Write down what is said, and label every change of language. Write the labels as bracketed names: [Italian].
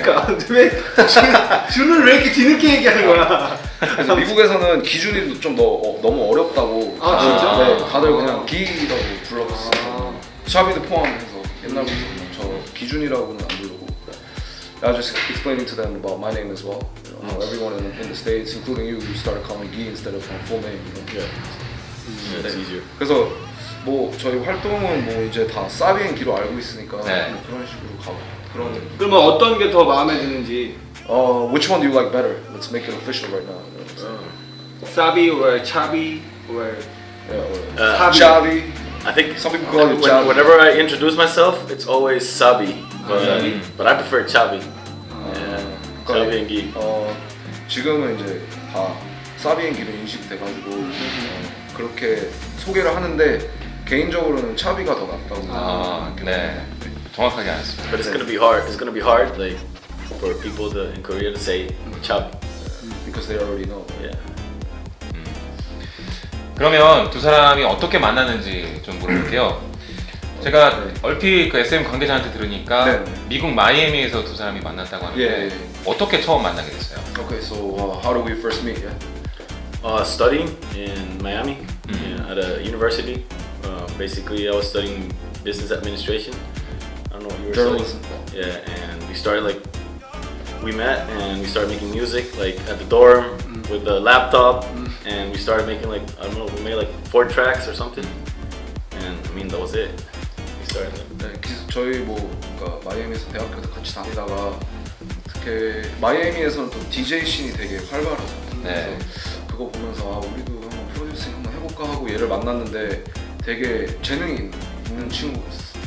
[Korean] 그러니까, 왜, 준을 왜 이렇게 뒤늦게 얘기하는 거야? 그래서 미국에서는 기준이 좀 너무 어렵다고. 아, 진짜? 네, 다들 그냥 기라고 불러봤어요. 샤비도 포함해서 옛날부터 저 기준이라고는 안 부르고. [English] I was just explaining to them about my name as well. You know, how everyone in the States, including you, started calling me Gi instead of my full name. You know? Yeah, it's easier. [Korean] 그래서 뭐 저희 활동은 뭐 이제 다 사비앤기로 알고 있으니까 네. 뭐 그런 식으로 가고 그런. 그러면 어떤 게 더 마음에 드는지? [English] Which one do you like better? Let's make it official right now. You know? Sabi or Chavi or Chavi. I think some people call it Chavi. Whenever I introduce myself, it's always Sabi. But I prefer Chavi. Chavi and Gi. [Korean] 지금은 이제 다 사비앤기로 인식돼가지고 그렇게 소개를 하는데 개인적으로는 차비가 더 낫다고 생각합니다. 네. 네. 정확하게 알았습니다. [English] But it's gonna be hard. It's gonna be hard like for people to, in Korea to say 차비. Because they already know. Yeah. [Korean] 그러면 두 사람이 어떻게 만났는지 좀 물어볼게요. 제가 네. 얼핏 그 SM 관계자한테 들으니까 네. 미국 마이애미에서 두 사람이 만났다고 하는데 예, 예. 어떻게 처음 만나게 됐어요? [English] Okay, so how did we first meet? Yeah? Studying in Miami yeah, at a university. Basically, I was studying business administration. I don't know what you were Journalism. Studying. Yeah, and we started like we met and we started making music like at the dorm with the laptop and we started making like I don't know we made like 4 tracks or something. And I mean that was it. We started. Like, [Korean] 네, 그래서 저희 뭐 그러니까 마이애미에서 대학교도 같이 다니다가 특히 마이애미에서는 또 DJ 씬이 되게 활발하잖아요. 그래서 네. 그거 보면서 아, 우리도 한번 프로듀싱 한번 해볼까 하고 얘를 만났는데 되게 재능이 있는 친구였어.